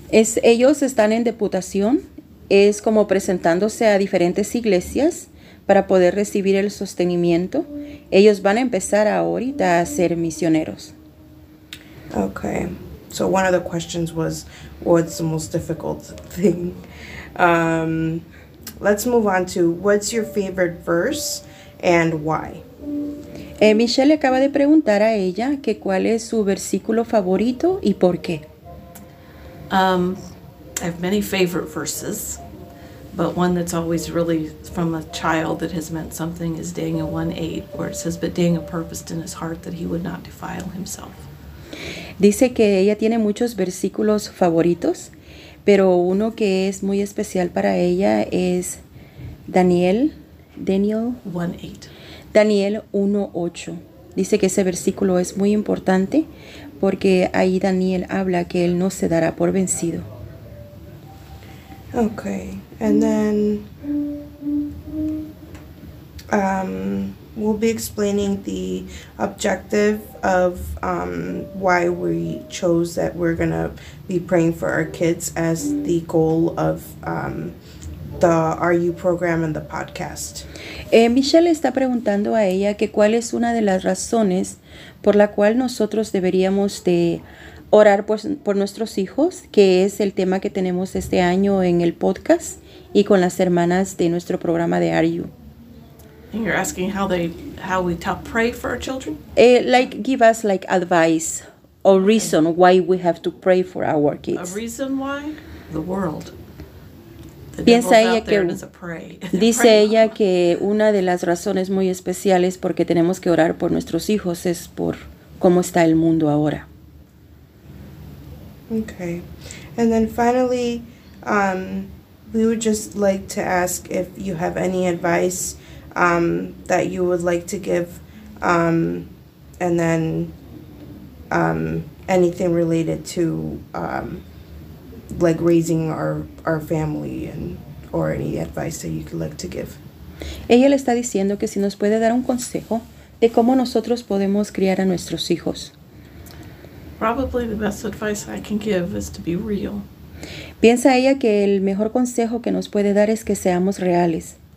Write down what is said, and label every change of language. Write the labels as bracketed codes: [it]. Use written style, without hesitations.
[es] Ellos están en deputación. Es como presentándose a diferentes iglesias para poder recibir el sostenimiento. Ellos van a empezar ahorita a ser misioneros. [en] Okay. So one of the questions was, what's the most difficult thing? Let's move on to, what's your favorite verse and why? [es] Michelle acaba de preguntar a ella que cuál es su versículo favorito y por qué. [en] I have many favorite verses, but one that's always really from a child that has meant something is Daniel 1:8, where it says, but Daniel purposed in his heart that he would not defile himself. [es] Dice que ella tiene muchos versículos favoritos, pero uno que es muy especial para ella es Daniel 1:8. Dice que ese versículo es muy importante porque ahí Daniel habla que él no se dará por vencido. [en] Okay, and then we'll be explaining the objective of why we chose that we're going to be praying for our kids as the goal of the RU program and the podcast. [es] Michelle está preguntando a ella que cuál es una de las razones por la cual nosotros deberíamos de orar por nuestros hijos, que es el tema que tenemos este año en el podcast y con las hermanas de nuestro programa de RU. [en] And you're asking how we pray for our children? Like, give us like advice or reason why we have to pray for our kids. A reason why? The world. [es] Piensa ella que, dice [en] pray [es] ella que una de las razones muy especiales porque tenemos que orar por nuestros hijos es por cómo está el mundo ahora. [en] Okay. And then finally, we would just like to ask if you have any advice that you would like to give, and then anything related to like raising our family and or any advice that you could like to give. [es] Ella le está diciendo que si nos puede dar un consejo de cómo nosotros podemos criar a nuestros hijos. [en] Probably the best advice I can give is to be real. [es] Piensa ella que el mejor consejo que nos puede dar es que seamos reales.